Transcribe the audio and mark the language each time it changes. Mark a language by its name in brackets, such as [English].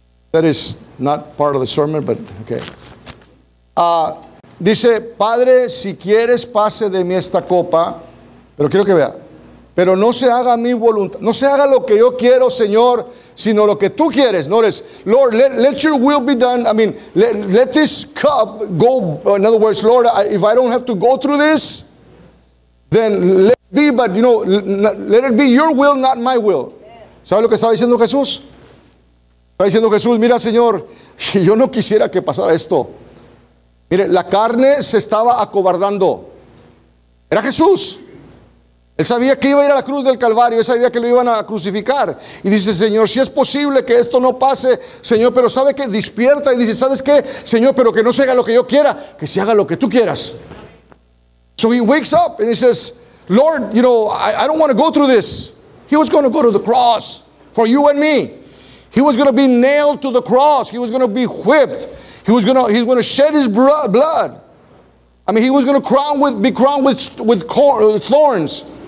[English] That is not part of the sermon, but okay. [Spanish] Dice, Padre, si quieres, pase de mí esta copa. Pero quiero que vea. Pero no se haga mi voluntad. No se haga lo que yo quiero, Señor, sino lo que tú quieres. [English] Notice, Lord, let your will be done. I mean, let this cup go. In other words, Lord, if I don't have to go through this, then let it be, but you know, let it be your will, not my will. [Spanish] ¿Sabe lo que estaba diciendo Jesús? Estaba diciendo Jesús, mira, Señor, yo no quisiera que pasara esto. Mire, la carne se estaba acobardando. Era Jesús. Él sabía que iba a ir a la cruz del Calvario. Él sabía que lo iban a crucificar. Y dice, Señor, si es posible que esto no pase, Señor, pero ¿sabe qué? Despierta y dice, ¿sabes qué? Señor, pero que no se haga lo que yo quiera, que se haga lo que tú quieras. [English] So he wakes up and he says, Lord, you know, I don't want to go through this. He was going to go to the cross for you and me. He was going to be nailed to the cross. He was going to be whipped. He was going to shed his blood. I mean, he was going to be crowned with thorns.